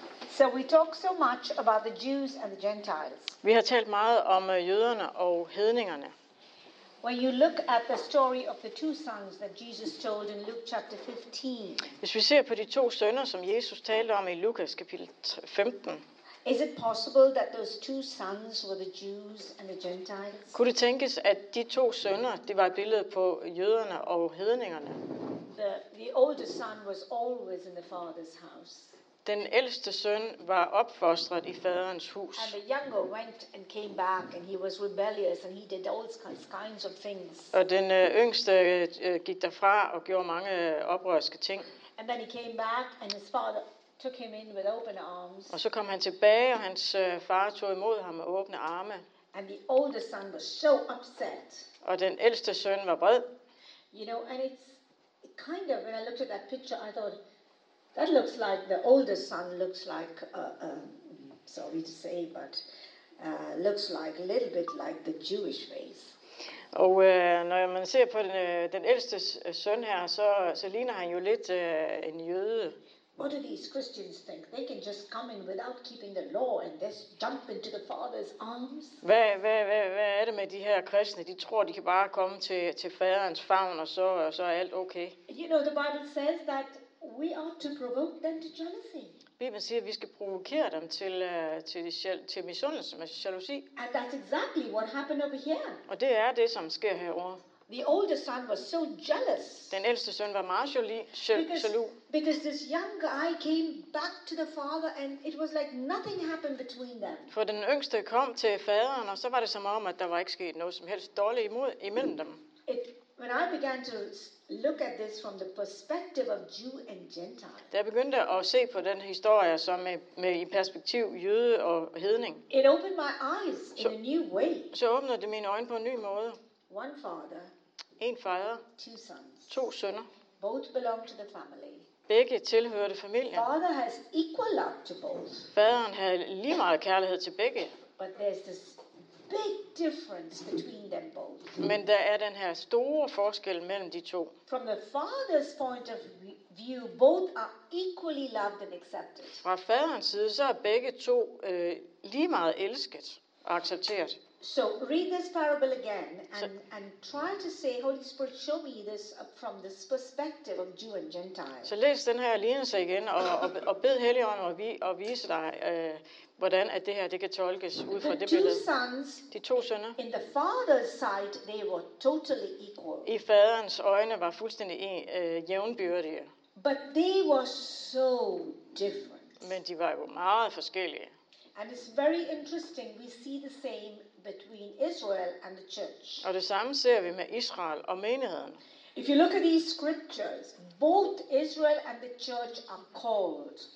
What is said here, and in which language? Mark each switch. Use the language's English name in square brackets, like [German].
[English] So we talk so much about the Jews and the Gentiles. [Danish] Vi har talt meget om jøderne og hedningerne. [English] When you look at the story of the two sons that Jesus told in Luke chapter 15. [Danish] Hvis vi ser på de to sønner som Jesus talte om i Lukas kapitel 15. [English] Is it possible that those two sons were the Jews and the Gentiles? [Danish] Kunne det tænkes at de to sønner, det var et billede på jøderne og hedningerne? [English] The oldest son was always in the father's house. [Danish] Den ældste søn var opfostret i faderens hus. [English] And the younger went and came back and he was rebellious and he did all kinds of things. [Danish] Og den yngste gik derfra og gjorde mange oprørske ting. [English] And then he came back and his father took him in with open arms. [Danish] Og så kom han tilbage og hans far tog imod ham med åbne arme. [English] And the older son was so upset. [Danish] Og den ældste søn var vred. [English] You know, and it's kind of when I looked at that picture I thought that looks like the oldest son looks like, sorry to say, but looks like a little bit like the Jewish face. [Danish] Og når man ser på den ældste søn her, så ligner han jo lidt en jøde. [English] What do these Christians think? They can just come in without keeping the law and just jump into the father's arms? [Danish] Hvad er det med de her kristne? De tror, de kan bare komme til faderens favn, og så er alt okay. [English] You know, the Bible says that we ought to provoke them to jealousy. [Danish] Bibelen siger, at vi skal provokere dem til misundelse, med jalousi. [English] And that's exactly what happened over here. [Danish] Og det er det, som sker herovre. [English] The older son was so jealous. [Danish] Den ældste søn var meget jaloux. [English] Because this young guy came back to the father and it was like nothing happened between them. [Danish] For den yngste kom til faderen, og så var det som om, at der var ikke sket noget som helst dårligt imellem dem. [English] When I began to look at this from the perspective of Jew and Gentile. [Danish] Da jeg begyndte at se på den historie som med i perspektiv jøde og hedning. [English] It opened my eyes in a new way. [Danish] Så åbnede det mine øjne på en ny måde. [English] One father. [Danish] En far. [English] Two sons. [Danish] To sønner. [English] Both belong to the family. [Danish] Begge tilhørte familien. [English] Father has equal love to both. [Danish] Faderen havde lige meget kærlighed til begge. [English] But there's this big difference between them both. [Danish] Men der er den her store forskel mellem de to. [English] From the father's point of view, both are equally loved and accepted. [Danish] Fra faderens side så er begge to lige meget elsket og accepteret. [English] So read this parable again and try to say, Holy Spirit, show me this from this perspective of Jew and Gentile. [Danish] Så læs den her lignelse igen og bed Helligånden at vise dig hvordan at det her det kan tolkes ud fra det billede. De to sønner. [English] In the father's sight, they were totally equal. [Danish] I faderens øjne var fuldstændig jævnbyrdige. [English] But they were so different. [Danish] Men de var jo meget forskellige. [English] And it's very interesting. We see the same between Israel and the church. [Danish] Og det samme ser vi med Israel og menigheden. [English] If you look at these scriptures, both Israel and the church are called.